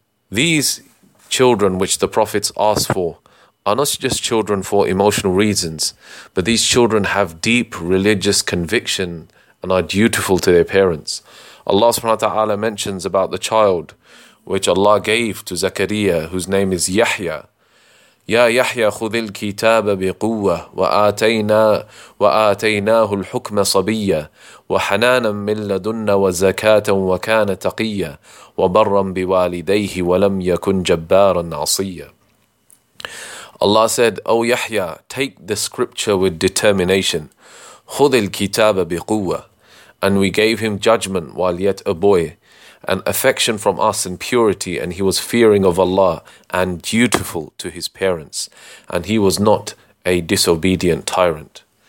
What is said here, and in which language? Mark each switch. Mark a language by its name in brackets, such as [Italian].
[English] These children which the prophets ask for are not just children for emotional reasons, but these children have deep religious conviction and are dutiful to their parents. Allah subhanahu wa ta'ala mentions about the child which Allah gave to Zakariya, whose name is Yahya. [Arabic] Ya Yahya خذ الكتاب بقوة وآتيناه الحكم صبيا وحنانا من لدنا وزكاة وكان تقيا وبرا بوالديه ولم يكن جبارا عصيا. [English] Allah said, O Yahya, take the scripture with determination. [Arabic] خذ الكتاب بقوة. [English] And we gave him judgment while yet a boy, and affection from us and purity, and he was fearing of Allah and dutiful to his parents, and he was not a disobedient tyrant.